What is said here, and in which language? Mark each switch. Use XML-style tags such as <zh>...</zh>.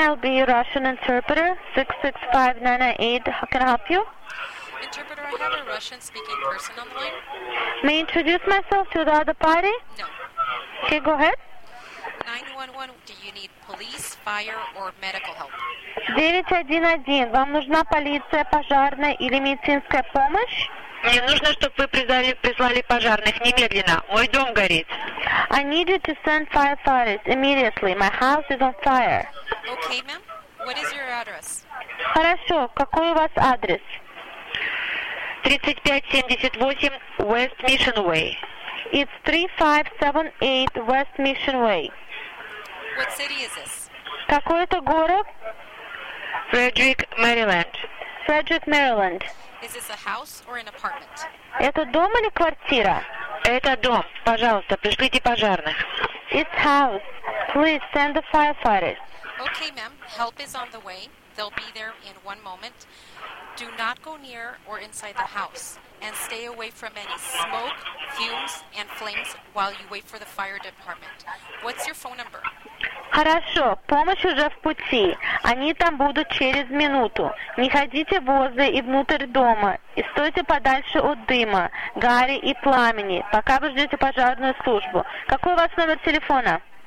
<en>I'll be your Russian interpreter. 665-998. How can I help you? Interpreter, I have a Russian-speaking person on the line. May I introduce myself to the other party? No. Okay, go ahead. 911, do you need police, fire, or medical help?</en> <ru>911, вам нужна полиция, пожарная или медицинская помощь? Мне нужно, чтобы вы прислали пожарных немедленно. Мой дом горит.</ru> <en>I need you to send firefighters immediately. My house is on fire. Okay, ma'am. What is your address?</en> <ru>Хорошо. Какой у вас адрес?</ru> <en>3578 West Mission Way. It's 3578 West Mission Way. What city is this?</en> <ru>Какой это город?</ru> <en>Frederick, Maryland. Frederick, Maryland. Is this a house or an apartment?</en> <ru>Это дом или квартира? Это дом. Пожалуйста, пришлите пожарных.</ru> <en>It's house. Please send the firefighters. Okay, ma'am. Help is on the way. They'll be there in one moment. Do not go near or inside the house. And stay away from any smoke, fumes, and flames while you wait for the fire department. What's your phone number?</en> <ru>Хорошо, помощь уже в пути. Они там будут через минуту. Не ходите возле и внутрь дома. И стойте подальше от дыма, гари и пламени, пока вы ждете пожарную службу. Какой у вас номер телефона?</ru>